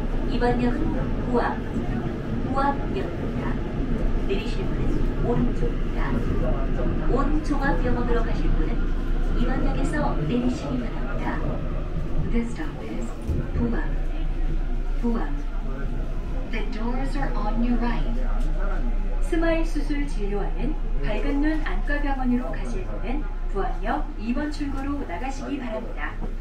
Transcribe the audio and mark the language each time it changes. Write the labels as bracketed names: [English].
[Korean] 이번역은 부암, 부암역입니다. 내리실 분은 오른쪽입니다. 온종합병원으로 가실 분은 이번역에서 내리시기 바랍니다. [English] This stop is 부암, 부암. The doors are on your right. [Korean] 스마일 수술 진료하는 밝은 눈 안과병원으로 가실 분은 부암역 2번 출구로 나가시기 바랍니다.